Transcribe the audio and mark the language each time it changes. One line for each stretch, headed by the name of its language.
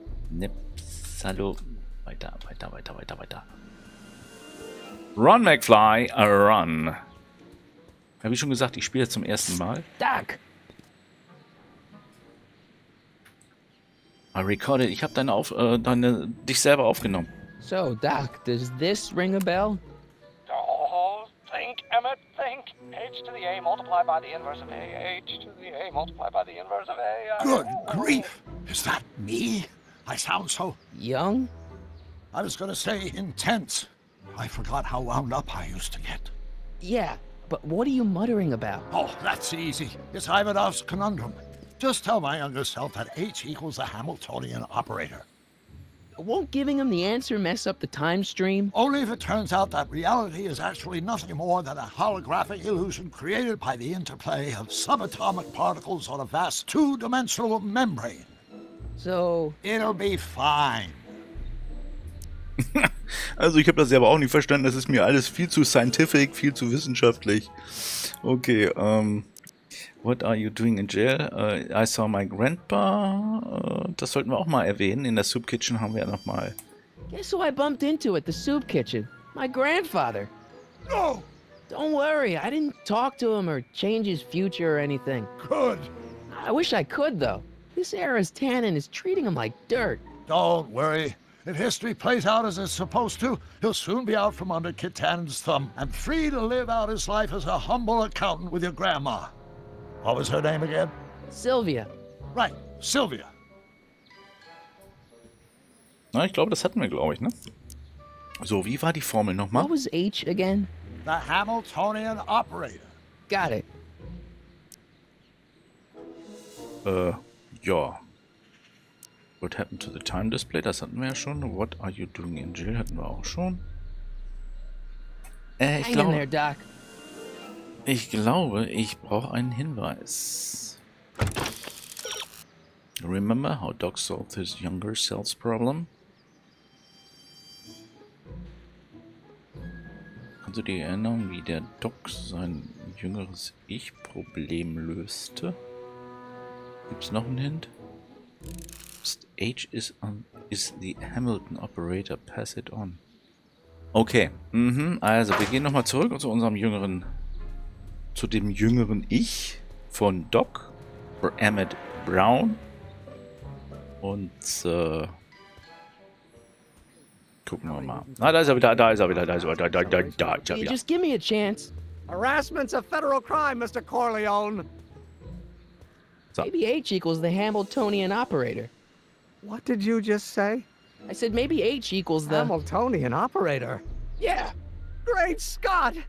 German: Nips. Hallo. Weiter.
English: Run, McFly. Run.
German: Habe ich schon gesagt, ich spiele zum ersten Mal.
English: Stuck. I recorded.
German: Ich habe dich selber aufgenommen.
English: So, Doc, does this ring a bell? H to the A multiplied by the inverse of A. Good grief! Is that me? I sound so... Young? I was gonna say intense. I forgot how wound up I used to get. Yeah, but what are you muttering about? Oh, that's easy. It's Ivanov's conundrum. Just tell my younger self that H equals the Hamiltonian operator. Won't giving him the answer mess up the time stream? Only if it turns out that reality is actually nothing more than a holographic illusion created by the interplay of subatomic particles on a vast two-dimensional membrane. So... It'll be fine.
German: Also ich habe das aber auch nicht verstanden. Das ist mir alles viel zu scientific, viel zu wissenschaftlich.
English: Okay, What are you doing in jail? I saw my grandpa.
German: Das sollten wir auch mal erwähnen. In der Soup Kitchen haben wir ja noch mal.
English: Guess who I bumped into at the Soup Kitchen? My grandfather. No! Don't worry, I didn't talk to him or change his future or anything. Good! I wish I could, though. This era's tannin is treating him like dirt. Don't worry. If history plays out as it's supposed to, he'll soon be out from under Kit Tannen's thumb and free to live out his life as a humble accountant with your grandma. What was her name again? Sylvia. Right, Sylvia.
German: Na, ich glaube, das hatten wir, glaube ich, ne? So, wie war die Formel nochmal?
English: What was H again? The Hamiltonian operator. Got it.
German: Ja.
English: What happened to the time display?
German: Das hatten wir ja schon.
English: What are you doing in jail?
German: Hatten wir auch schon. Ich glaube...
English: Hang in there, Doc.
German: Ich glaube, ich brauche einen Hinweis.
English: Remember how Doc solved his younger self's problem?
German: Kannst du dir erinnern, wie der Doc sein jüngeres Ich-Problem löste? Gibt's noch einen Hint? H
English: Is the Hamilton operator pass it on?
German: Okay, mhm, also wir gehen nochmal zurück zu unserem jüngeren, zu dem jüngeren Ich von Doc, Emmett Brown. Und gucken wir mal. Ah, da ist er wieder, da ist er wieder, da ist er wieder, da ist er wieder. Da,
English: hey, just give me a chance. Harassment's a federal crime, Mr. Corleone. So. Maybe H equals the Hamiltonian operator. What did you just say? I said maybe H equals the Hamiltonian operator. Yeah. Great Scott!